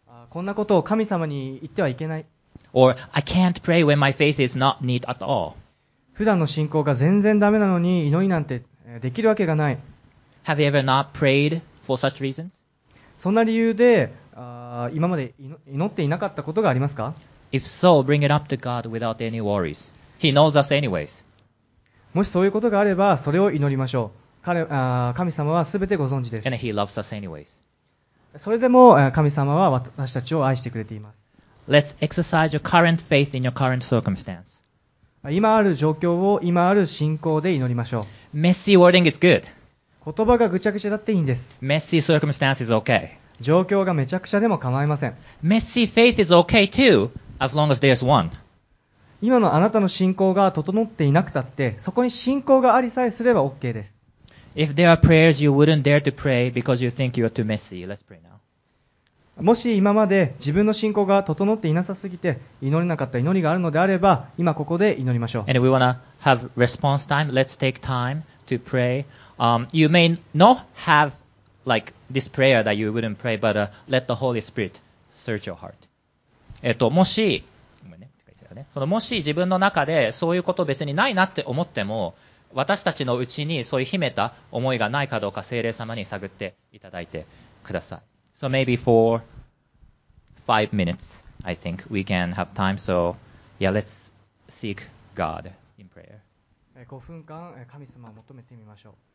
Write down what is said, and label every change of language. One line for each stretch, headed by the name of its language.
Japanese: こんなことを神様に言ってはいけない。
English: Or, I can't pray when my faith is not neat at all.
Japanese: 普段の信仰が全然ダメなのに祈りなんてできるわけがない。
English: Have you ever not prayed for such reasons?
Japanese: そんな理由で、今まで祈っていなかったことがありますか?
English: If so, bring it up to God without any worries. He knows us anyways.
Japanese: もしそういうことがあれば、それを祈りましょう。神様はすべてご存知です。
English: And he loves us anyways.
Japanese: それでも神様は私たちを愛してくれています。
English: Let's exercise your current faith in your current circumstance.
Japanese: 今ある状況を今ある信仰で祈りましょう。
English: Messy wording is good.
Japanese: 言葉がぐちゃぐちゃだっていいんです。
English: Messy circumstance is okay.
Japanese: 状況がめちゃくちゃでも構いません。
English: Messy faith is okay too, as long as there's one.
Japanese: 今のあなたの信仰が整っていなくたって、そこに信仰がありさえすれば OK です。
English: If there are prayers you wouldn't dare to pray because you think you are too messy, let's pray now.
Japanese: もし今まで自分の信仰が整っていなさすぎて祈れなかった祈りがあるのであれば今ここで祈りましょう。
English: And we wanna have response time. Let's take time to pray. You may not have like this prayer that you wouldn't pray, but let the Holy Spirit search your heart.
Japanese: もし、そのもし自分の中でそういうこと別にないなって思っても、私たちのうちにそういう秘めた思いがないかどうか聖霊様に探っていただいてください。
English: So maybe for 5 minutes, I think we can have time. So, yeah, let's seek God in prayer.
Japanese: 5分間神様を求めてみましょう。